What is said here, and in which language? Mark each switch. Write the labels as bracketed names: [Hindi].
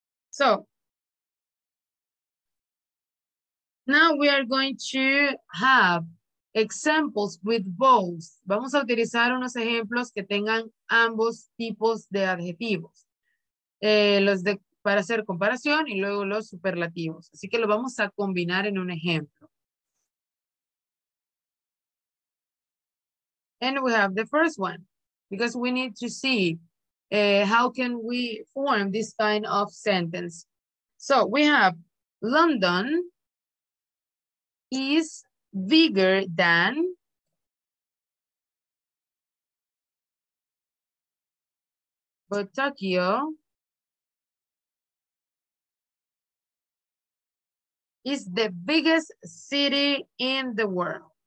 [English] So now we are going to have examples with both. [Spanish] Vamos a utilizar unos ejemplos que tengan ambos tipos de adjetivos. Los de para hacer comparación y luego los superlativos. Así que lo vamos a combinar en un ejemplo. [English] And we have the first one because we need to see how can we form this kind of sentence. So we have London is bigger than but Tokyo is the biggest city in the world.